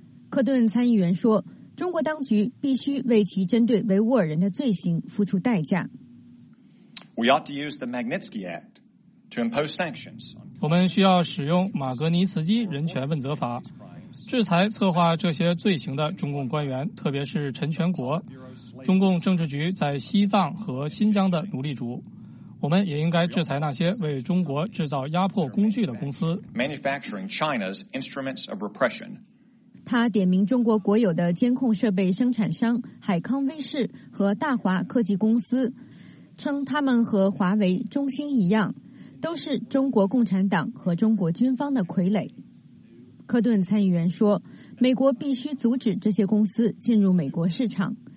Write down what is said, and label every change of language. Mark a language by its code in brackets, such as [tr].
[zh] 科顿参议员说，中国当局必须为其针对维吾尔人的罪行付出代价。 [en] We ought to use the Magnitsky Act to impose sanctions. [zh] 我们需要使用马格尼茨基人权问责法，制裁策划这些罪行的中共官员，特别是陈全国、中共政治局在西藏和新疆的奴隶主。我们也应该制裁那些为中国制造压迫工具的公司。 [en] Manufacturing China's instruments of repression. [zh] 他点名中国国有的监控设备生产商海康威视和大华科技公司，称他们和华为、中兴一样，都是中国共产党和中国军方的傀儡。科顿参议员说，美国必须阻止这些公司进入美国市场。